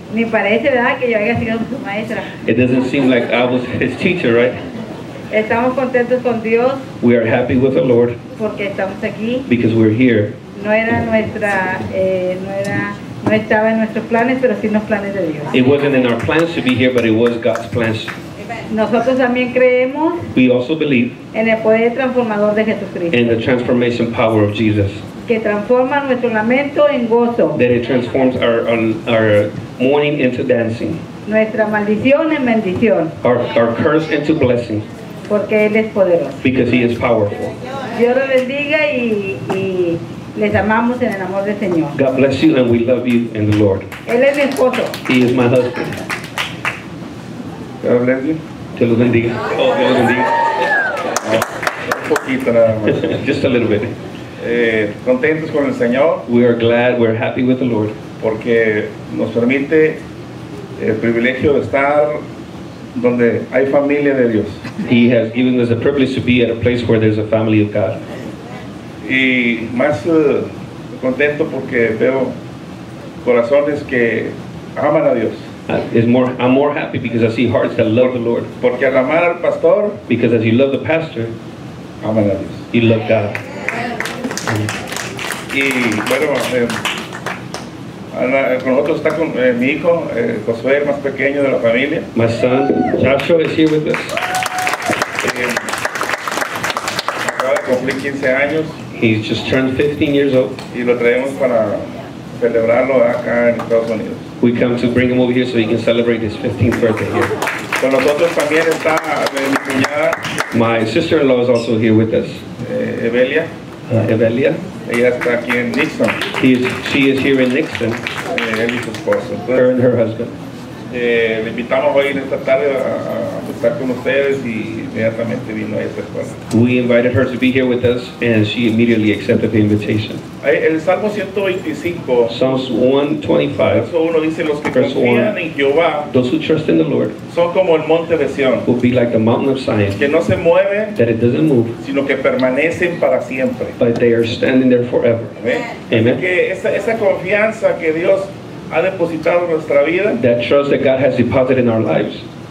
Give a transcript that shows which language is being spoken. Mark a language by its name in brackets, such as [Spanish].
[Spanish] Ni parece, ¿verdad?, que yo haya sido su maestra. [English] It doesn't seem like I was his teacher, right? [Spanish] Estamos contentos con Dios. [English] We are happy with the Lord. [Spanish] Porque estamos aquí. [English] Because we're here. [Spanish] No estaba en nuestros planes, pero sí en los planes de Dios. [English] It wasn't in our plans to be here, but it was God's plans. [Spanish] Nosotros también creemos. [English] We also believe. [Spanish] En el poder transformador de Jesucristo. [English] In the transformation power of Jesus. [Spanish] Que transforma nuestro lamento en gozo. [English] That it transforms our mourning into dancing. [Spanish] Nuestra maldición en bendición. [English] Our curse into blessing. [Spanish] Porque Él es poderoso. [English] Because He is powerful. [Spanish] Dios lo bendiga y les amamos en el amor del Señor. [English] God bless you and we love you in the Lord. [Spanish] Él es mi esposo. [English] He is my husband. God bless you. [Spanish] Que lo bendiga. Oh, que lo bendiga. Un poquito nada más. [English] Just a little bit. [Spanish] Contentos con el Señor. [English] We are glad, we're happy with the Lord. [Spanish] Porque nos permite el privilegio de estar donde hay familia de Dios. [English] He has given us the privilege to be at a place where there's a family of God. [Spanish] Y más contento porque veo corazones que aman a Dios. [English] I'm more happy because I see hearts that love the Lord. [Spanish] Porque al amar al pastor, [English] because as you love the pastor, [Spanish] aman a Dios. [English] You love God. [Spanish] Y bueno, con nosotros está con mi hijo, Josué, el más pequeño de la familia. [English] My son, Joshua, is here with us. [Spanish] Acaba de cumplir 15 años. [English] He's just turned 15 years old. [Spanish] Y lo traemos para celebrarlo acá en Estados Unidos. [English] We come to bring him over here so he can celebrate his 15th birthday here. [Spanish] Con nosotros también está mi cuñada. [English] My sister-in-law is also here with us. [Spanish] Evelia. [English] Evelia. [Spanish] Ella está aquí en Nixon. [English] She is here in Nixon. [Spanish] Él y su esposo. [English] Her and her husband. [Spanish] Le invitamos hoy en esta tarde a estar con ustedes y inmediatamente vino a esta escuela. [English] We invited her to be here with us and she immediately accepted the invitation. [Spanish] El Salmo 125. [English] Psalms 125. [Spanish] Verso 1 dice, los que confían en Jehová, [English] those who trust in the Lord, [Spanish] son como el monte de Sion, [English] will be like the mountain of Zion, [Spanish] que no se mueve, [English] that it doesn't move, [Spanish] sino que permanecen para siempre. [English] But they are standing there forever. Amen. Amen. [Spanish] Que esa confianza que Dios ha depositado en nuestra vida, [English] that trust that God has deposited in our lives,